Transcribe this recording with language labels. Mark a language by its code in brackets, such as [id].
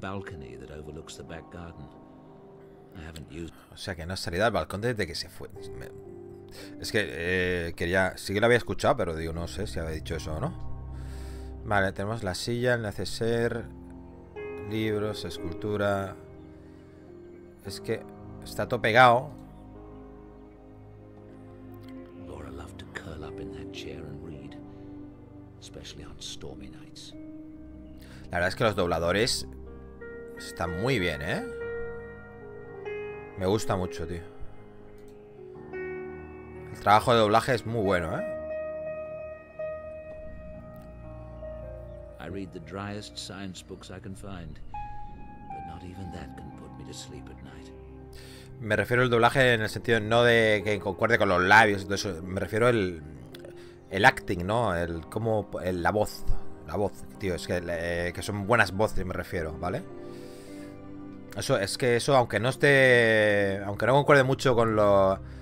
[en] Balcony that overlooks the back garden. I haven't used... [es] O sea que no has salido al balcón desde que se fue. Es que quería. Sí que lo había escuchado, pero digo, no sé si había dicho eso o no. Vale, tenemos la silla, el neceser, libros, escultura. Es que está todo pegado. [en] Laura loved to curl up in that chair and read, especially on stormy nights. [es] La verdad es que los dobladores están muy bien, ¿eh? Me gusta mucho, tío. El trabajo de doblaje es muy bueno, ¿eh? [en] I read the driest science books I can find, but not even that can put me to sleep at night. [es] Me refiero al doblaje en el sentido no de que concuerde con los labios, todo eso. Me refiero al el acting, ¿no? El cómo el, la voz. La voz, tío, es que son buenas voces, me refiero, ¿vale? Eso, es que eso, aunque no esté. Aunque no concuerde mucho con lo.